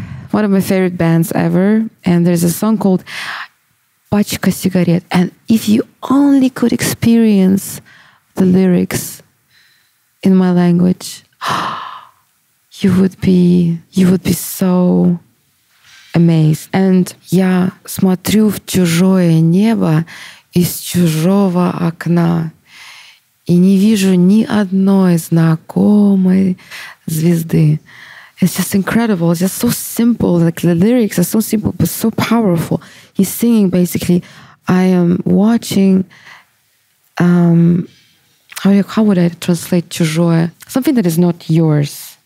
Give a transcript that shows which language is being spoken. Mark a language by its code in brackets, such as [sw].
[en] One of my favorite bands ever. And there's a song called Пачка сигарет. And if you only could experience the lyrics in my language, you would be so amazed. [ru] And я смотрю в чужое небо из чужого окна и не вижу ни одной знакомой звезды. [en] It's just incredible. It's just so simple. Like the lyrics are so simple, but so powerful. He's singing basically, I am watching, how would I translate чужое? Something that is not yours.